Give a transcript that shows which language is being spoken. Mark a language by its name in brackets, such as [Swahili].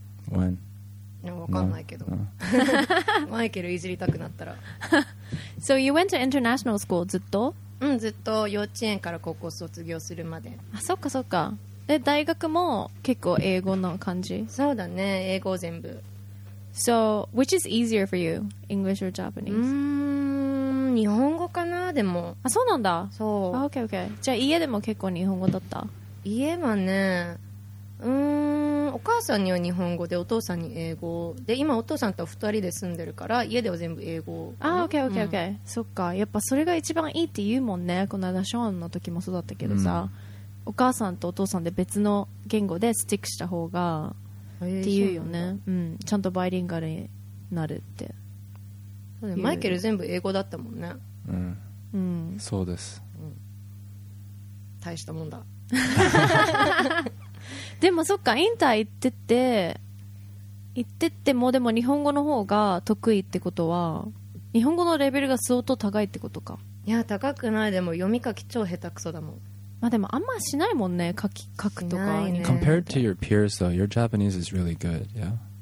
[English] When? [Japanese] わかんないけど。マイケルいじりたくなったら。 [English] So you went to international school [Japanese] ずっと？うん、ずっと幼稚園から高校卒業するまで。あ、そっかそっか。で大学も結構英語の感じ。そうだね、英語全部。 [English] So which is easier for you, English or Japanese? [Japanese] うーん、日本語かな。でも、あ、そうなんだ。そう、あ、 OKOK、okay, okay. じゃあ家でも結構日本語だった。家はね、うーん、お母さんには日本語で、お父さんに英語で、今お父さんと二人で住んでるから家では全部英語。あ、 [English] OKOKOK、okay, okay, okay. [Japanese] うん、そっか、やっぱそれが一番いいって言うもんね。この間ショーンの時もそうだったけどさ、うん、お母さんとお父さんで別の言語でスティックした方がっていうよね。うん、ちゃんとバイリンガルになるって。マイケル全部英語だったもんね。うん、うん、そうです、うん、大したもんだでもそっか、インター行ってて、行ってってもでも日本語の方が得意ってことは、日本語のレベルが相当高いってことか。いや高くない、でも読み書き超下手くそだもん。まあ、でもあんましないもんね、書き、書くとか。しないね。 [English] Compared to your peers though, your Japanese is really good, yeah?